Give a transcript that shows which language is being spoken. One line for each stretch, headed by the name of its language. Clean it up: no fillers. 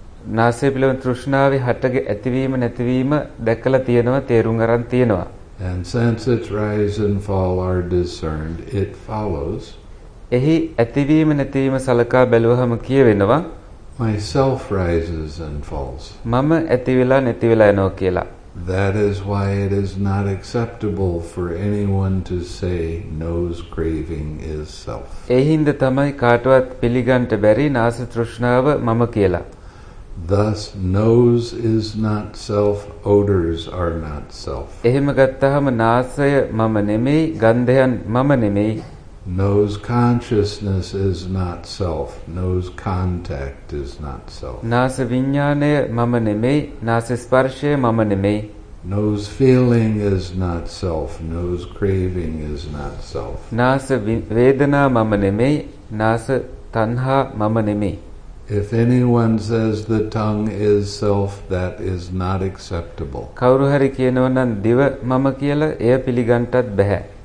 Sinhala: නාසය පිළිබඳ තෘෂ්ණාවේ හටගැ ඇතිවීම නැතිවීම දැකලා තියෙනවා තේරුම් අරන් තියෙනවා.
English: And since its rise and fall are discerned, it follows.
Sinhala: එහි ඇතිවීම නැතිවීම සලකා බැලුවහම කියවෙනවා
English: myself rises and falls.
Sinhala: මම ඇතිවිලා නැතිවිලා යනවා කියලා.
English: That is why it is not acceptable for anyone to say nose craving is self.
Sinhala: එහින්ද තමයි කාටවත් පිළිගන්න බැරි නාස තෘෂ්ණාව මම කියලා.
English: Thus nose is not self, odors are not self.
Sinhala: එහෙම ගත්තහම නාසය මම නෙමෙයි ගන්ධයන් මම නෙමෙයි.
English: Nose consciousness is not self, nose contact is not self.
Sinhala: නාස විඥානය මම නෙමෙයි නාස ස්පර්ශය මම නෙමෙයි.
English: Nose feeling is not self. Nose craving is not self.
Sinhala: Nasa vedana mama nemei. Nasa tanha mama nemei.
English: If anyone says the tongue is self, that is not acceptable.
Sinhala: Kavuru hari kiyenona diva mama kiyala eya piligantat bæ.